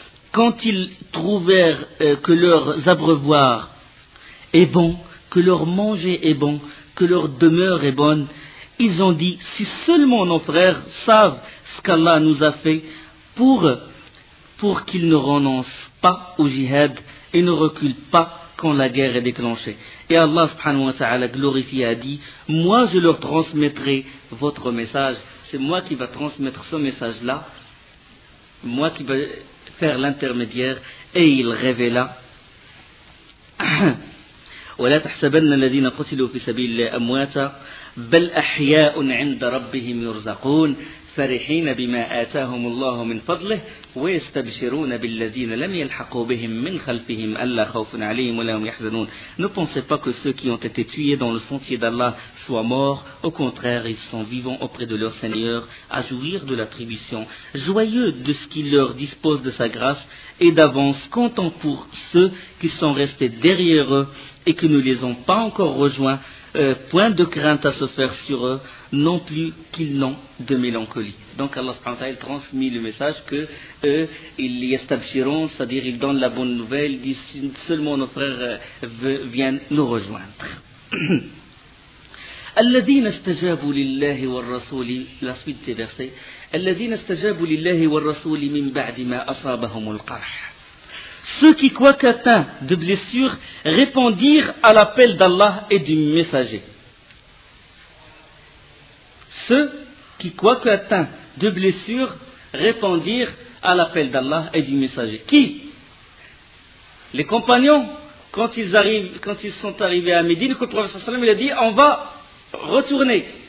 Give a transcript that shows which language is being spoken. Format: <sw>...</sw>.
<fr>Quand ils trouvèrent que leur abreuvoir est bon, que leur manger est bon, que leur demeure est bonne, ils ont dit, si seulement nos frères savent ce qu'Allah nous a fait pour qu'ils ne renoncent pas au jihad et ne reculent pas quand la guerre est déclenchée. Et Allah subhanahu wa ta'ala glorifié a dit, moi je leur transmettrai votre message, c'est moi qui va transmettre ce message-là, moi qui va faire l'intermédiaire, et il révéla.</fr> <ar>ولا تحسبن الذين قتلوا في سبيل الله أمواتا بل أحياء عند ربهم يرزقون فرحين بما آتاهم الله من فضله ويستبشرون بالذين لم يلحقوا بهم من خلفهم ألا خوف عليهم ولا هم يحزنون.</ar> <fr>Ne pensez pas que ceux qui ont été tués dans le sentier d'Allah soient morts. Au contraire, ils sont vivants auprès de leur Seigneur, à jouir de l'attribution, joyeux de ce qu'il leur dispose de sa grâce, et d'avance content pour ceux qui sont restés derrière eux et qui ne les ont pas encore rejoints, point de crainte à se faire sur eux, non plus qu'ils n'ont de mélancolie. Donc Allah subhanahu wa ta'ala transmet le message que eux, ils y establiront, c'est-à-dire ils donnent la bonne nouvelle, ils disent seulement nos frères viennent nous rejoindre.</fr> <ar>الذين استجابوا لله والرسول لا سويت برسي الذين استجابوا لله والرسول من بعد ما أصابهم القرح.</ar> <fr>Ceux qui, quoique atteints de blessures, répondirent à l'appel d'Allah et du messager. Ceux qui, quoique atteints de blessures, répondirent à l'appel d'Allah et du messager. Qui ? Les compagnons, quand ils sont arrivés à Médine, que le prophète sallallahu alayhi wa sallam, il a dit, on va retourner.</fr>